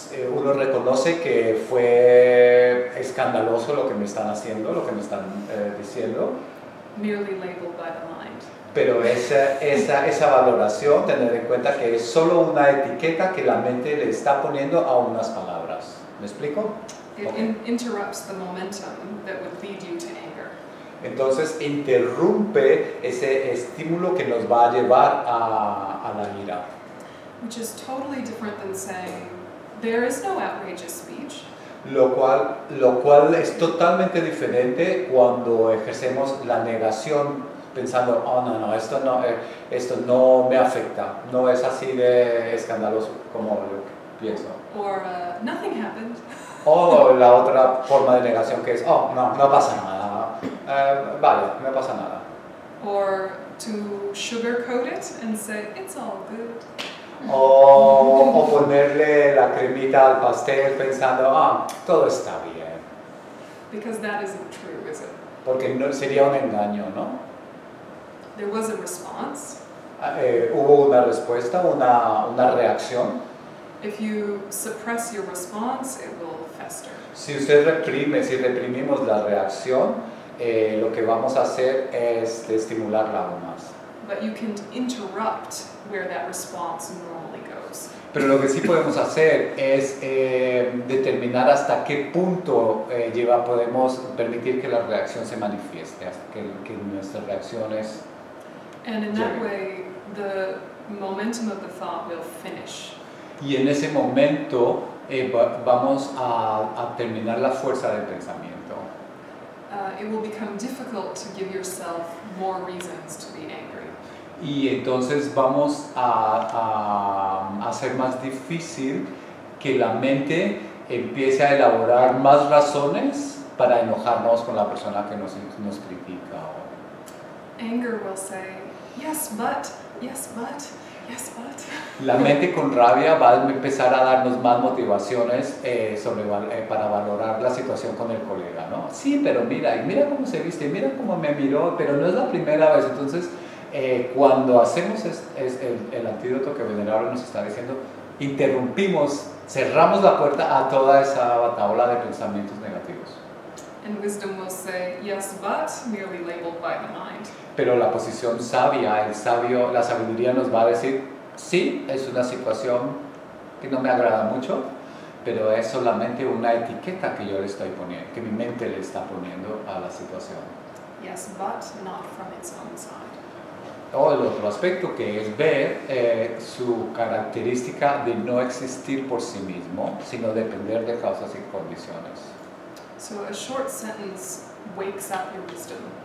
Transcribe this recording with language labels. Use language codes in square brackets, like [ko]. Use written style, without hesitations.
[es] Uno reconoce que fue escandaloso lo que me están haciendo, lo que me están diciendo. [en] Merely labeled by the mind. [es] Pero esa valoración, tener en cuenta que es solo una etiqueta que la mente le está poniendo a unas palabras. ¿Me explico? [en] It interrupts the momentum that would lead you to anger. [es] Entonces interrumpe ese estímulo que nos va a llevar a la ira. [en] Which is totally different than saying there is no outrageous speech. [es] Lo cual es totalmente diferente cuando ejercemos la negación pensando esto no me afecta, no es así de escandaloso como lo que pienso. [en] Or nothing happened. [es] O la otra forma de negación que es, no pasa nada. Vale, no pasa nada. [en] Or to sugarcoat it and say, it's all good. [es] O ponerle la cremita al pastel pensando, todo está bien. [en] Because that isn't true, is it? [es] Porque no, sería un engaño, ¿no? [en] There was a response. [es] Hubo una respuesta, una reacción. [en] If you suppress your response, it will fester. [es] Si usted reprime, si reprimimos la reacción, lo que vamos a hacer es estimularla aún más. [en] But you can interrupt where that response normally goes. [es] Pero lo que sí podemos hacer es determinar hasta qué punto podemos permitir que la reacción se manifieste, que nuestras reacciones. [en] And in that way, the momentum of the thought will finish. [es] Y en ese momento vamos a terminar la fuerza del pensamiento. [en] It will become difficult to give yourself more reasons to be angry. [es] Y entonces vamos a hacer más difícil que la mente empiece a elaborar más razones para enojarnos con la persona que nos critica. [en] Anger will say, yes, but, yes, but. Yes, but. [es] La mente con rabia va a empezar a darnos más motivaciones para valorar la situación con el colega, ¿no? Sí, pero mira, y mira cómo se viste, mira cómo me miró, pero no es la primera vez. Entonces, cuando hacemos el antídoto que Venerable nos está diciendo, interrumpimos, cerramos la puerta a toda esa batahola de pensamientos negativos. [en] And wisdom will say, yes, but, merely labeled by the mind. [es] Pero la posición sabia, el sabio, la sabiduría nos va a decir, sí, es una situación que no me agrada mucho, pero es solamente una etiqueta que yo le estoy poniendo, que mi mente le está poniendo a la situación. [en] Yes, but not from its own side. [es] O el otro aspecto que es ver su característica de no existir por sí mismo, sino depender de causas y condiciones. [en] So a short sentence wakes up your wisdom.